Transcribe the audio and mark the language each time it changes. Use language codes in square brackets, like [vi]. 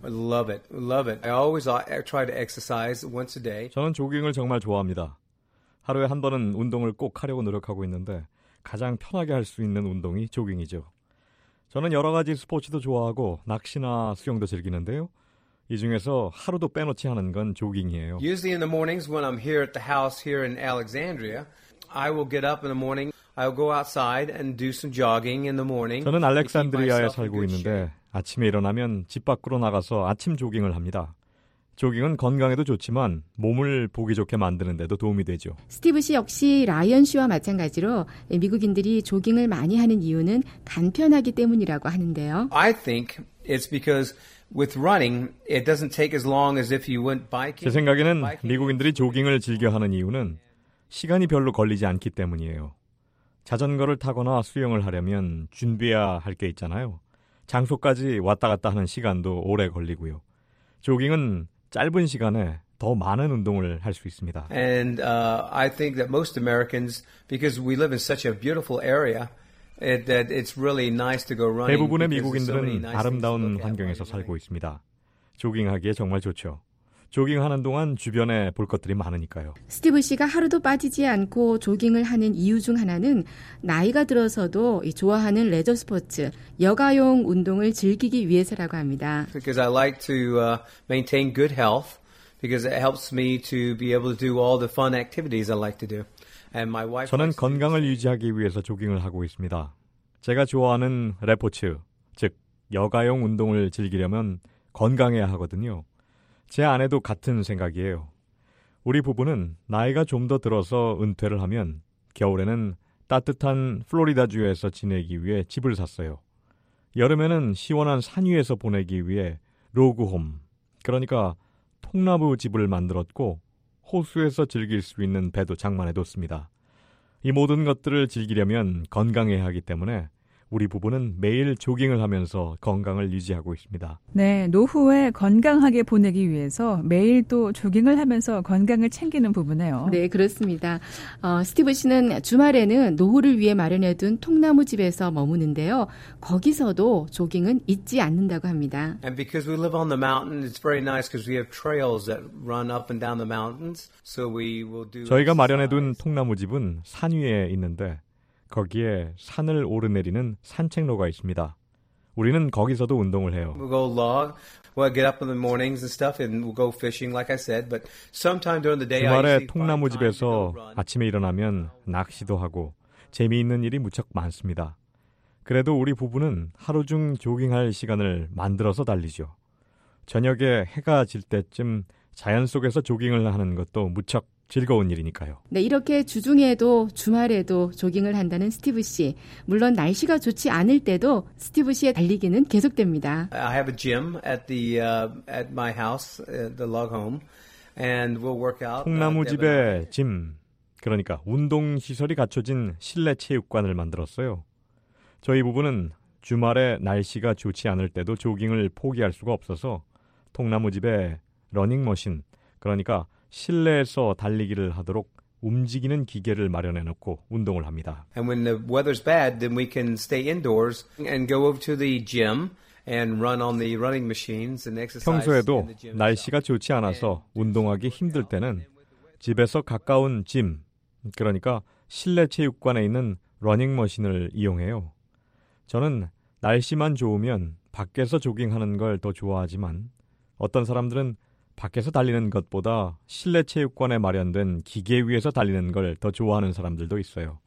[en] I love it. Love it. I always try to exercise once a day. [ko] 저는 조깅을 정말 좋아합니다. 하루에 한 번은 운동을 꼭 하려고 노력하고 있는데 가장 편하게 할 수 있는 운동이 조깅이죠. 저는 여러 가지 스포츠도 좋아하고 낚시나 수영도 즐기는데요. 이 중에서 하루도 빼놓지 않은 건 조깅이에요. [en] Usually in the mornings when I'm here at the house here in Alexandria, I will get up in the morning. I'll go outside and do some jogging in the morning. [ko] 저는 알렉산드리아에 살고 있는데 아침에 일어나면 집 밖으로 나가서 아침 조깅을 합니다. 조깅은 건강에도 좋지만 몸을 보기 좋게 만드는 데도 도움이 되죠. 스티브 씨 역시 라이언 씨와 마찬가지로 미국인들이 조깅을 많이 하는 이유는 간편하기 때문이라고 하는데요. [en] I think it's because with running, it doesn't take as long as if you went biking. [ko] 제 생각에는 미국인들이 조깅을 즐겨하는 이유는 시간이 별로 걸리지 않기 때문이에요. 자전거를 타거나 수영을 하려면 준비해야 할 게 있잖아요. 장소까지 왔다 갔다 하는 시간도 오래 걸리고요. 조깅은 짧은 시간에 더 많은 운동을 할 수 있습니다. [en] And I think that most Americans, because we live in such a beautiful area, that it's really nice to go running. [ko] 대부분의 미국인들은 아름다운 환경에서 살고 있습니다. 조깅하기에 정말 좋죠. 조깅하는 동안 주변에 볼 것들이 많으니까요. 스티브 씨가 하루도 빠지지 않고 조깅을 하는 이유 중 하나는 나이가 들어서도 좋아하는 레저 스포츠, 여가용 운동을 즐기기 위해서라고 합니다. [en] Because I like to maintain good health because it helps me to be able to do all the fun activities I like to do. And my wife [ko] 저는 건강을 유지하기 위해서 조깅을 하고 있습니다. 제가 좋아하는 레포츠, 즉 여가용 운동을 즐기려면 건강해야 하거든요. 제 아내도 같은 생각이에요. 우리 부부는 나이가 좀 더 들어서 은퇴를 하면 겨울에는 따뜻한 플로리다주에서 지내기 위해 집을 샀어요. 여름에는 시원한 산 위에서 보내기 위해 로그홈, 그러니까 통나무 집을 만들었고 호수에서 즐길 수 있는 배도 장만해뒀습니다. 이 모든 것들을 즐기려면 건강해야 하기 때문에 우리 부부는 매일 조깅을 하면서 건강을 유지하고 있습니다. 네, 노후에 건강하게 보내기 위해서 매일 또 조깅을 하면서 건강을 챙기는 부분이에요. 네, 그렇습니다. 스티브 씨는 주말에는 노후를 위해 마련해둔 통나무 집에서 머무는데요. 거기서도 조깅은 잊지 않는다고 합니다. [en] And because we live on the mountain, it's very nice because we have trails that run up and down the mountains. So we will do. [ko] 저희가 마련해둔 통나무 집은 산 위에 있는데 거기에 산을 오르내리는 산책로가 있습니다. 우리는 거기서도 운동을 해요. [en] We'll go log. We'll get up in the mornings and stuff and we'll go fishing like I said, but sometime during the day [ko] 주말에 통나무 집에서 아침에 일어나면 낚시도 하고 재미있는 일이 무척 많습니다. 그래도 우리 부부는 하루 중 조깅할 시간을 만들어서 달리죠. 저녁에 해가 질 때쯤 자연 속에서 조깅을 하는 것도 무척 즐거운 일이니까요. 네, 이렇게 주중에도 주말에도 조깅을 한다는 스티브 씨. 물론 날씨가 좋지 않을 때도 스티브 씨의 달리기는 계속됩니다. [en] I have a gym at the at my house, the log home, and we'll work out. [ko] 통나무 집에 짐, 그러니까 운동 시설이 갖춰진 실내 체육관을 만들었어요. 저희 부부는 주말에 날씨가 좋지 않을 때도 조깅을 포기할 수가 없어서 통나무 집에 러닝머신, 그러니까 실내에서 달리기를 하도록 움직이는 기계를 마련해 놓고 운동을 합니다. [en] And when the weather's bad, then we can stay indoors and go over to the gym and run on the running machines and exercise. [ko] 평소에도 날씨가 좋지 않아서 운동하기 힘들 때는 집에서 가까운 짐, 그러니까 실내 체육관에 있는 러닝 머신을 이용해요. 저는 날씨만 좋으면 밖에서 조깅하는 걸 더 좋아하지만 어떤 사람들은 밖에서 달리는 것보다 실내 체육관에 마련된 기계 위에서 달리는 걸 더 좋아하는 사람들도 있어요.